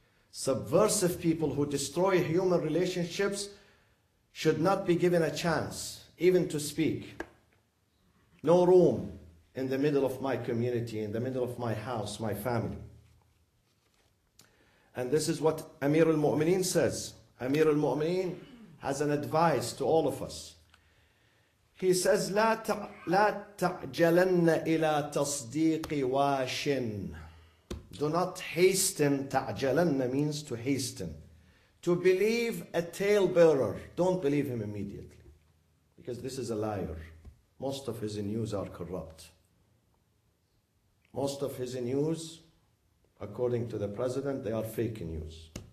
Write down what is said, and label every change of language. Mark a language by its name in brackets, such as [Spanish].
[English] Subversive people who destroy human relationships should not be given a chance even to speak. No room in the middle of my community, in the middle of my house, my family. And this is what Amir al-Mu'mineen says. Amir al-Mu'mineen has an advice to all of us. He says, [Arabic] لَا تَعْجَلَنَّ إِلَىٰ تَصْدِيقِ وَاشٍ. [English] Do not hasten. تَعْجَلَنَّ means to hasten. To believe a tale bearer. Don't believe him immediately. Because this is a liar. Most of his news are corrupt. Most of his news, according to the president, they are fake news.